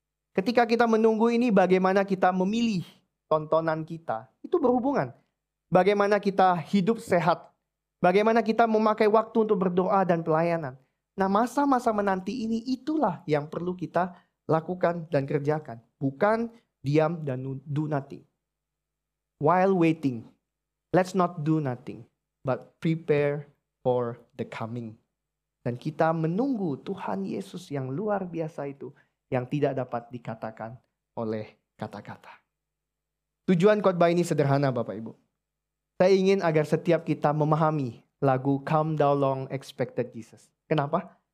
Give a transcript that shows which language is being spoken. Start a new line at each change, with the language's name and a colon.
Indonesian: Ketika kita menunggu ini, bagaimana kita memilih tontonan kita, itu berhubungan. Bagaimana kita hidup sehat, bagaimana kita memakai waktu untuk berdoa dan pelayanan. Nah, masa-masa menanti ini itulah yang perlu kita lakukan dan kerjakan. Bukan diam dan
English: do nothing. While waiting, let's not do nothing, but prepare for the coming.
Indonesian: Dan kita menunggu Tuhan Yesus yang luar biasa itu, yang tidak dapat dikatakan oleh kata-kata. Tujuan khotbah ini sederhana, Bapak Ibu. Saya ingin agar setiap kita memahami lagu Come Thou Long Expected Jesus. Kenapa?